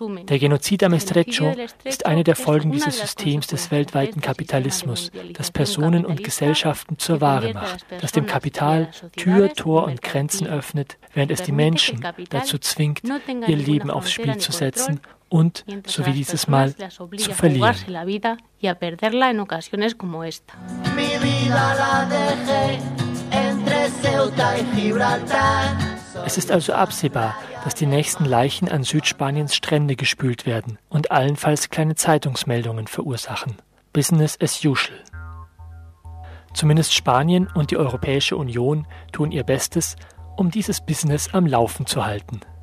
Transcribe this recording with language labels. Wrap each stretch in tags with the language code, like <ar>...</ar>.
<de>Der Genozid am Estrecho ist eine der Folgen dieses Systems des weltweiten Kapitalismus, das Personen und Gesellschaften zur Ware macht, das dem Kapital Tür, Tor und Grenzen öffnet, während es die Menschen dazu zwingt, ihr Leben aufs Spiel zu setzen und, so wie dieses Mal, zu verlieren.</de> <es>Y a perderla en ocasiones como esta. Mi vida la dejé entre Ceuta y Gibraltar.</es> <de>Es ist also absehbar, dass die nächsten Leichen an Südspaniens Strände gespült werden und allenfalls kleine Zeitungsmeldungen verursachen.</de> <en>Business as usual.</en> <de>Zumindest Spanien und die Europäische Union tun ihr Bestes, um dieses Business am Laufen zu halten.</de>